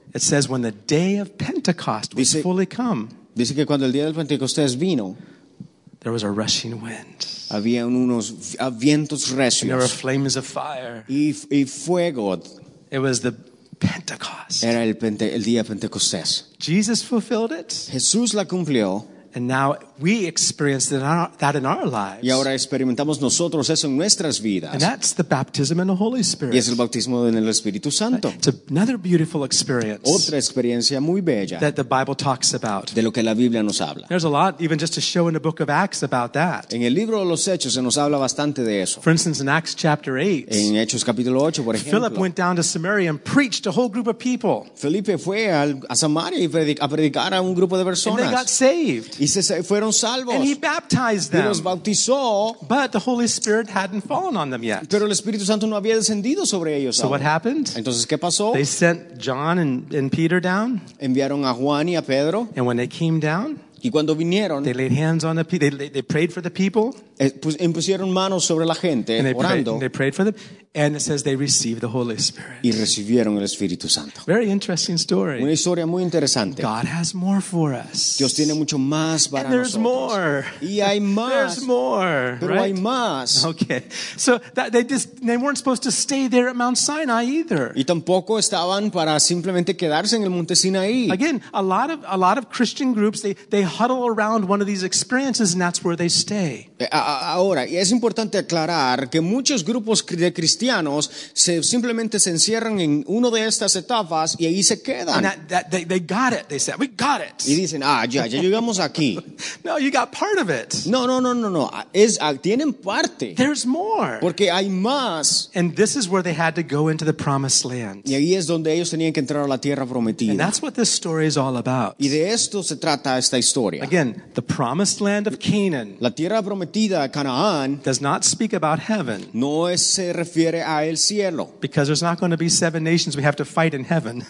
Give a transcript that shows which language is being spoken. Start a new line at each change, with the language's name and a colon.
English: It says when the day of Pentecost was fully come.
Spanish: Dice que cuando el día del Pentecostés vino,
English: there was a rushing wind.
Spanish: Había unos vientos recios.
English: There were flames of fire.
Spanish: Y fuego.
English: It was the Pentecost.
Spanish: Era el día Pentecostés.
English: Jesus fulfilled it.
Spanish: Jesús la cumplió.
English: And now we experience that in our lives.
Spanish: Y ahora experimentamos nosotros eso en nuestras vidas.
English: And that's the baptism in the Holy Spirit.
Spanish: Y es el bautismo en el Espíritu Santo.
English: It's another beautiful experience.
Spanish: Otra experiencia muy bella.
English: That the Bible talks about.
Spanish: De lo que la Biblia nos habla.
English: There's a lot, even just to show in the book of Acts about that.
Spanish: En el libro de los Hechos se nos habla bastante de eso.
English: For instance, in Acts chapter 8.
Spanish: En Hechos capítulo 8, por ejemplo.
English: Philip went down to Samaria and preached a whole group of people.
Spanish: Felipe fue a Samaria y a predicar a un grupo de personas.
English: And they got saved.
Spanish: Y fueron salvos.
English: And he baptized them.
Spanish: Y los bautizó.
English: But the Holy Spirit hadn't fallen on them yet.
Spanish: Pero el Espíritu Santo no había descendido sobre ellos.
English: So what happened?
Spanish: Entonces, ¿qué pasó?
English: They sent John and Peter down.
Spanish: Enviaron a Juan y a Pedro.
English: And when they came down,
Spanish: y cuando vinieron,
English: they laid hands on the people. They prayed for the people.
Spanish: Impusieron manos sobre la gente,
English: and
Spanish: orando.
English: And they prayed for them. And it says they received the Holy Spirit.
Spanish: Y recibieron el Espíritu Santo.
English: Very interesting story.
Spanish: Una historia muy interesante.
English: God has more for us.
Spanish: Dios tiene mucho más para nosotros.
English: And there's more.
Spanish: Y hay más.
English: There's more.
Spanish: Pero
English: right?
Spanish: hay más.
English: Okay. So that they weren't supposed to stay there at Mount Sinai either.
Spanish: Y tampoco estaban para simplemente quedarse en el Monte Sinaí.
English: Again, a lot of Christian groups they huddle around one of these experiences and that's where they stay.
Spanish: Ahora, y es importante aclarar que muchos grupos de cristianos simplemente se encierran en una de estas etapas y ahí se quedan.
English: And they got it, they said, we got it.
Spanish: Y dicen, ya llegamos aquí.
English: No, you got part of it.
Spanish: No. Tienen parte.
English: There's more.
Spanish: Porque hay más.
English: And this is where they had to go into the promised land.
Spanish: Y ahí es donde ellos tenían que entrar a la tierra prometida.
English: And that's what this story is all about.
Spanish: Y de esto se trata esta historia.
English: Again, the promised land of Canaan.
Spanish: La tierra prometida. prometida Canaán
English: does not speak about heaven.
Spanish: No es, se refiere a el cielo.
English: Because there's not going to be seven nations we have to fight in heaven.